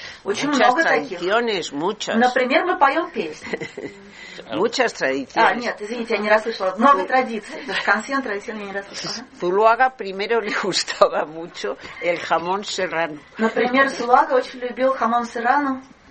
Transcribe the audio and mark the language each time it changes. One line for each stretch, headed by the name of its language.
Spanish: Muchas tradiciones, muchas.
Russian: Например, мы поем песни.
Spanish: Muchas tradiciones.
Russian: Ah, нет, извините, я не расслышала. Новые традиции.
Spanish: Canción, tradición,
Russian: я не расслышала.
Spanish: Zuloaga primero le gustaba mucho el jamón serrano.
Russian: Например, Zuloaga очень любил jamón serrano.